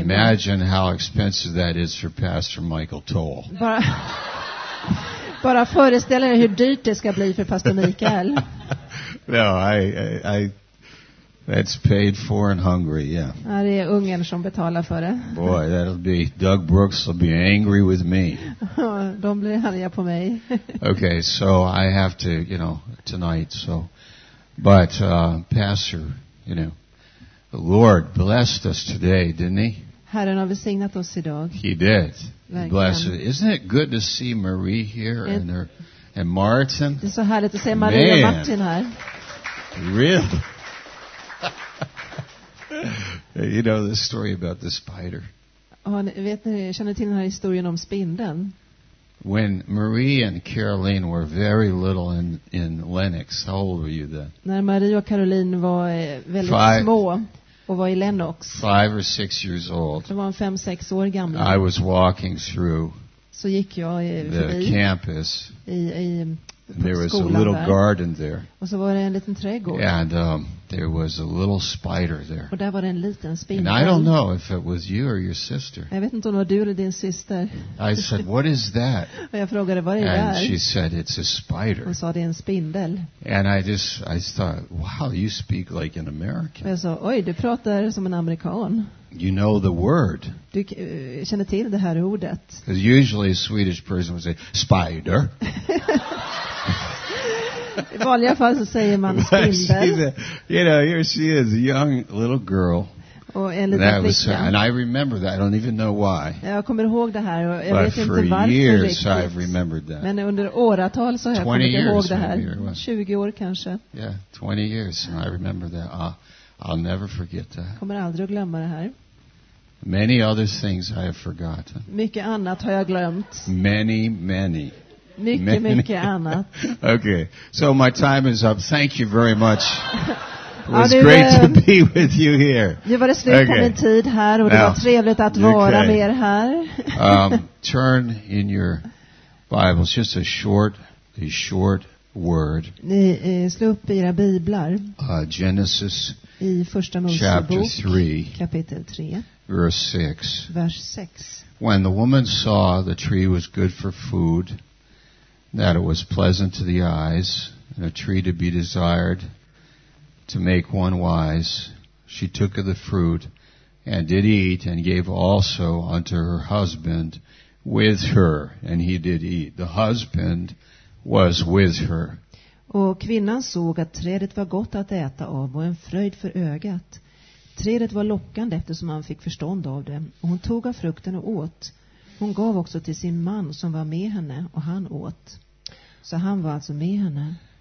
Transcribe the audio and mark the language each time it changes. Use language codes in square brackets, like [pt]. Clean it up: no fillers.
[en] Imagine how expensive that is for Pastor Michael Toll. [sv] Bara föreställ dig hur dyrt det ska bli för Pastor Mikael. [en] No, I that's paid for in Hungary, yeah. [sv] Ja, det är ungen som betalar för det. [en] Boy, that'll be Doug Brooks will be angry with me. [sv] De blir arga på mig. [en] Okay, so I have to, you know, tonight. So, but Pastor, you know, the Lord blessed us today, didn't he? [sv] Herren har välsignat oss idag. [en] He did. Blessed. Isn't it good to see Marie here and Martin? [sv] Det är så härligt att se Marie och Martin här. [en] Really? You know the story about the spider. [sv] Vet ni, känner till den här historien om spindeln? [en] When Marie and Caroline were very little in Lennox, how old were you then? [sv] När Marie och Caroline var väldigt små och var i Lennox. [en] 5 or 6 years old. [sv] De var 5-6 år gamla. [en] I was walking through. [sv] Så gick jag [en] the campus. I there was a little garden there. [sv] Och så var det en liten trädgård. [en] And there was a little spider there. [sv] Och där var det en liten spindel. [en] And I don't know if it was you or your sister. [sv] Jag vet inte om det var du eller din syster. [en] I said, "What is that?" [sv] Och jag frågade, vad är det? [en] And she said, "It's a spider." [sv] Hon sa, det är en spindel. [en] And I thought, "Wow, you speak like an American." [sv] Jag sa, oj, du pratar som en amerikan. [en] You know the word. [sv] Du känner till det här ordet. [en] Because usually a Swedish person would say spider. [sv] I vanliga fall så säger man spindel. [en] You know, here she is, a young little girl. [sv] Och en liten flicka. [en] And I remember that. I don't even know why. [sv] Jag kommer ihåg det här. Jag [en] but [sv] vet inte varför. [en] For years I've remembered that. [sv] Men under åratal så har jag kommit ihåg det här. 20 år kanske. [en] Yeah, 20 years and I remember that. I'll never forget that. [sv] Kommer aldrig att glömma det här. [en] Many other things I have forgotten. [sv] Mycket annat har jag glömt. [en] Many, many. [sv] Mycket, [en] many. [sv] Mycket annat. [en] Okay, so my time is up. Thank you very much. It was great to be with you here. [sv] Nu var det slut på min tid här och det var trevligt att vara med er här. [en] Turn in your Bibles. Just a short word. [sv] Ni slå upp era biblar. [en] Genesis. [sv] I första Mosebok, kapitel 3, vers 6. [en] When the woman saw the tree was good for food, that it was pleasant to the eyes, and a tree to be desired to make one wise, she took of the fruit and did eat, and gave also unto her husband with her, and he did eat. The husband was with her. [sv] Och kvinnan såg att trädet var gott att äta av och en fröjd för ögat. Trädet var lockande eftersom han fick förstånd av det. Och hon tog av frukten och åt. Hon gav också till sin man som var med henne och han åt. Så han var alltså med henne.